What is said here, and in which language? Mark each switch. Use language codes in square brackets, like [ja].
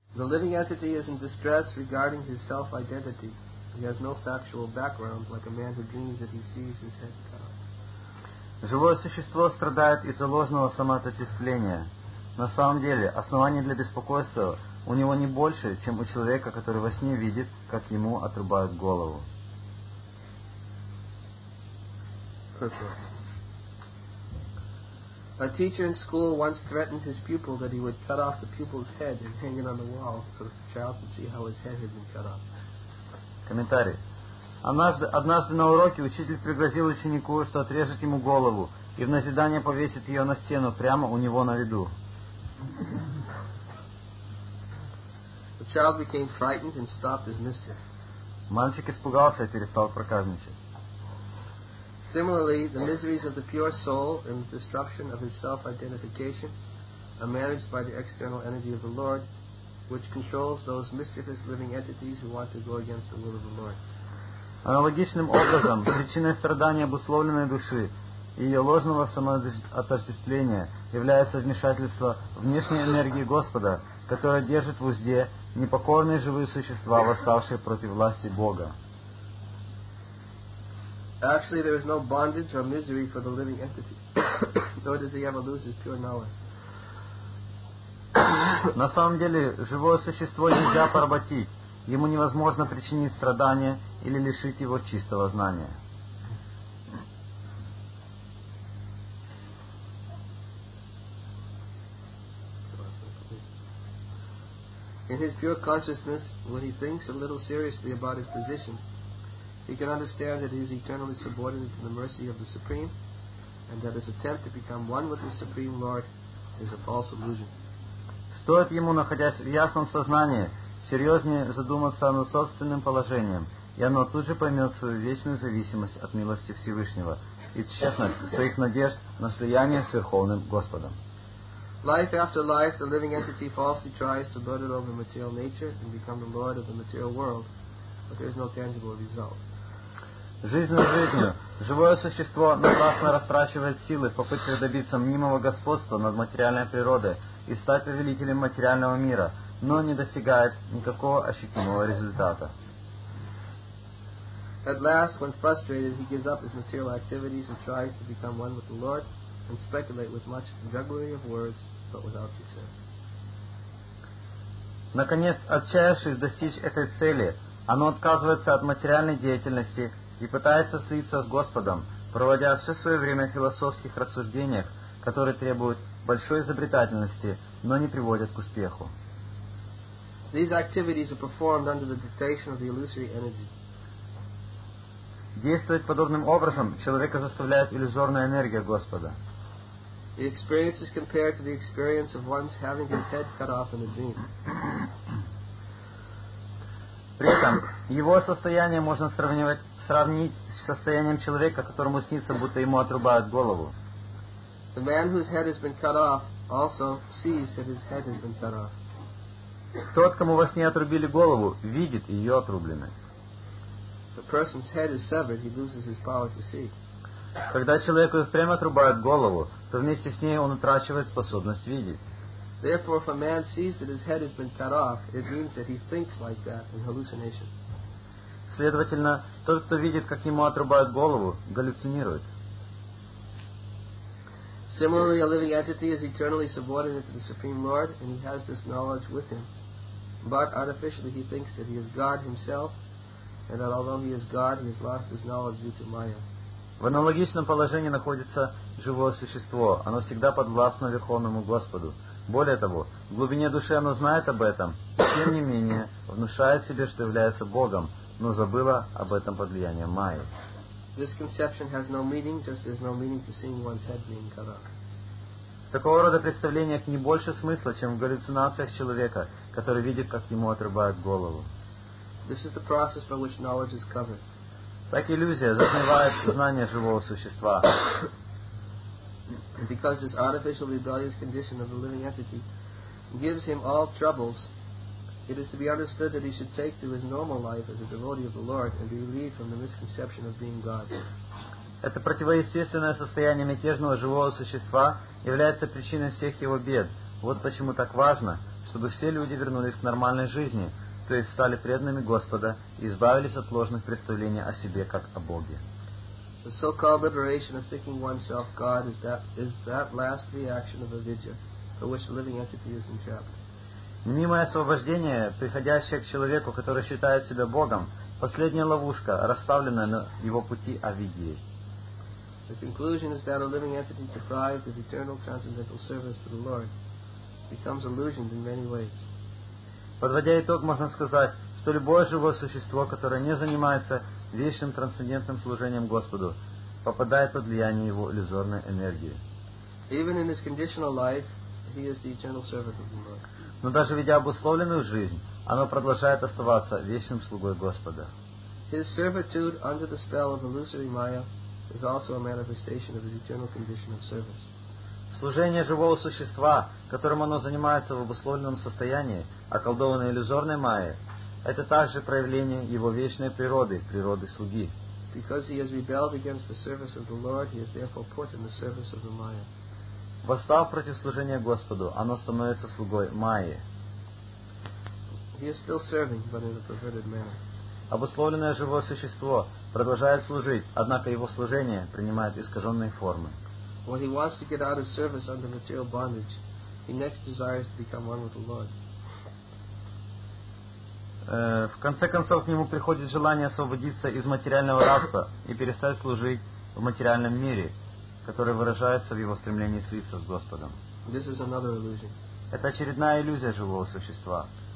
[en] The living entity is in distress regarding his self-identity. He has no factual background, like a man who dreams that he sees his head cut. [ru] Живое существо страдает из-за ложного самоотождествления. На самом деле, оснований для беспокойства у него не больше, чем у человека, который во сне видит, как ему отрубают голову. [en] A teacher in school once threatened his pupil that he would cut off the pupil's head and hang it on the wall so that the child could see how his head had been cut off. [ru] Комментарий. Однажды на уроке учитель пригрозил ученику, что отрежет ему голову и в назидание повесит ее на стену прямо у него на виду. [en] The child became frightened and stopped his mischief. [ru] Мальчик испугался и перестал проказничать. [en] Similarly, the miseries of the pure soul and the destruction of his self-identification are managed by the external energy of the Lord, which controls those mischievous living entities who want to go against the will of the Lord. [ru] Аналогичным образом, причиной страдания обусловленной души и ее ложного самоотождествления является вмешательство внешней энергии Господа, которая держит в узде непокорные живые существа, восставшие против власти Бога. [en] Actually, there is no bondage or misery for the living entity, nor does he ever lose his pure knowledge. [ru] На самом деле, живое существо нельзя поработить. Ему невозможно причинить страдания или лишить его чистого знания. [en] In his pure consciousness, when he thinks a little seriously about his position, he can understand that he is eternally subordinate to the mercy of the Supreme, and that his attempt to become one with the Supreme Lord is a false illusion. [ru] Стоит ему, находясь в ясном сознании, серьезнее задуматься над собственным положением, и оно тут же поймет свою вечную зависимость от милости Всевышнего и тщетность своих надежд на слияние с Верховным Господом. [en] Life after life, the living entity falsely tries to lord it over material nature and become the lord of the material world, but there is no tangible result. [ru] Жизнь за жизнью, живое существо напрасно растрачивает силы в попытках добиться мнимого господства над материальной природой и стать повелителем материального мира, но не достигает никакого ощутимого результата. [en] At last, when frustrated, he gives up his material activities and tries to become one with the Lord, and speculate with much jugglery of words, but without success. [ru] Наконец, отчаявшись достичь этой цели, оно отказывается от материальной деятельности и пытается слиться с Господом, проводя все свое время в философских рассуждениях, которые требуют большой изобретательности, но не приводят к успеху. [en] These activities are performed under the dictation of the illusory energy. [ru] Действовать подобным образом человека заставляет иллюзорная энергия Господа. [en] The experience is compared to the experience of one's having his head cut off in a dream. [ru] При этом его состояние можно сравнить с состоянием человека, которому снится, будто ему отрубают голову. [en] The man whose head has been cut off also sees that his head has been cut off. [ru] Тот, кому во сне отрубили голову, видит ее отрубленной. [en] The person's head is severed, he loses his power to see. [ru] Когда человеку впрямь отрубают голову, то вместе с ней он утрачивает способность видеть. Следовательно, тот, кто видит, как ему отрубают голову, галлюцинирует. [en] Similarly, a living entity is eternally subordinate to the Supreme Lord, and he has this knowledge with him. But artificially, he thinks that he is God himself, and that although he is God, he has lost his knowledge due to Maya. [ru] В аналогичном положении находится живое существо. Оно всегда подвластно Верховному Господу. Более того, в глубине души оно знает об этом, и тем не менее внушает себе, что является Богом, но забыло об этом под влиянием Майи. [en] This conception has no meaning, just as no meaning to seeing one's head being cut off. [ru] В такого рода представлениях не больше смысла, чем в галлюцинациях человека, который видит, как ему отрубают голову. [en] This is the process by which knowledge is covered. [ru] Так иллюзия затмевает знание живого существа. [en] Because this artificial rebellious condition of the living entity gives him all troubles, it is to be understood that he should take to his normal life as a devotee of the Lord and be relieved from the misconception of being God. [ru] Это противоестественное состояние мятежного живого существа является причиной всех его бед. Вот почему так важно, чтобы все люди вернулись к нормальной жизни, то есть стали преданными Господа и избавились от ложных представлений о себе как о Боге. [en] The so-called liberation of thinking oneself God is that last reaction of avidya for which living entity is entrapped. [ru] Мнимое освобождение, приходящее к человеку, который считает себя Богом, последняя ловушка, расставленная на его пути авидьей. [en] The conclusion is that a living entity deprived of eternal transcendental service to the Lord becomes illusioned in many ways. [ru] Подводя итог, можно сказать, что любое живое существо, которое не занимается вечным трансцендентным служением Господу, попадает под влияние его иллюзорной энергии. [en] Even in his conditional life, he is the eternal servant of the Lord. [ru] Но даже ведя обусловленную жизнь, оно продолжает оставаться вечным слугой Господа. [en] His servitude under the spell of illusory Maya is also a manifestation of his eternal condition of service. [ru] Служение живого существа, которым оно занимается в обусловленном состоянии, околдованной иллюзорной майей, это также проявление его вечной природы, природы слуги. [en] Because he has rebelled against the service of the Lord, he is therefore put in the service of the Maya. [ru] Восстав против служения Господу, оно становится слугой майи. [en] He is still serving, but in a perverted manner. [ru] Обусловленное живое существо продолжает служить, однако его служение принимает искаженные формы. [en] When he wants to get out of service under material bondage, he next desires to become one with the Lord. [ru] В конце концов, к нему приходит желание освободиться из материального рабства и перестать служить в материальном мире, который выражается в его стремлении слиться с Господом. [en] This is another illusion. [ru] Это очередная иллюзия живого существа.